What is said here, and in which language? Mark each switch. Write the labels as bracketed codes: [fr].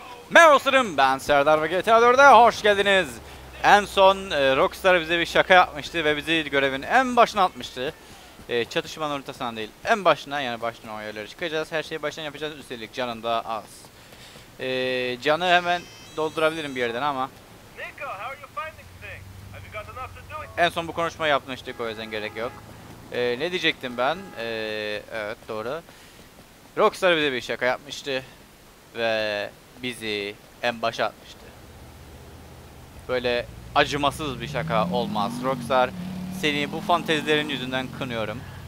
[tr] Merhabalarım, ben Serdar ve GTA 4'e hoş geldiniz. En son Rockstar bize bir şaka yapmıştı ve bizi görevin en başına atmıştı. Çatışmanın ortasından değil, en başına, yani baştan o yerlere çıkacağız. Her şeyi baştan yapacağız, üstelik canın da az. Canı hemen doldurabilirim bir yerden ama. [en] Nico, how are you finding things? Have you got enough to do? [tr] En son bu konuşmayı yapmıştık, o yüzden gerek yok. Ne diyecektim ben? Evet, doğru. Rockstar bize bir şaka yapmıştı ve bizi en başa atmıştı. Böyle acımasız bir şaka olmaz. Rockstar, seni bu fantezilerin yüzünden kınıyorum.